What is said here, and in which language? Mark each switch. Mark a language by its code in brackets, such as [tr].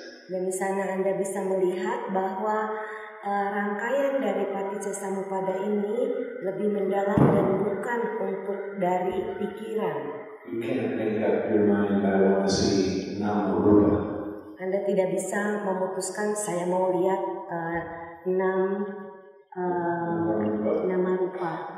[id] Dan di sana Anda bisa melihat bahwa rangkaian dari paticca samuppada ini lebih mendalam dan bukan untuk dari pikiran. [en] You can't make up your mind, I want to see nama rupa. [id] Anda tidak bisa memutuskan, saya mau lihat nama rupa.